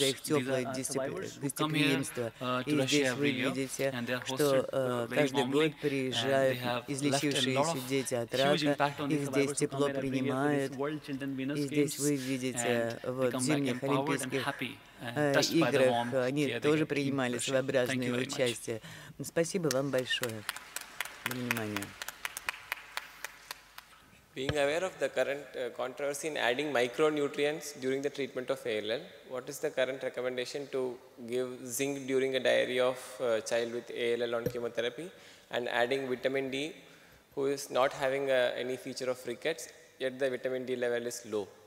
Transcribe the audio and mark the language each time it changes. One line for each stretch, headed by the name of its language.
English: These are survivors who come here to Russia every year, and they are hosted very warmly, and they have left a lot of huge impact on the survivors who come here every year. This is World Children Venus Games, and they come back empowered and happy.
Russian: Играх они тоже принимали своеобразное участие. Спасибо вам большое за внимание.
English: Being aware of the current controversy in adding micronutrients during the treatment of ALL, what is the current recommendation to give zinc during a diarrhea of child with ALL on chemotherapy and adding vitamin D who is not having any feature of rickets yet the vitamin D level is low?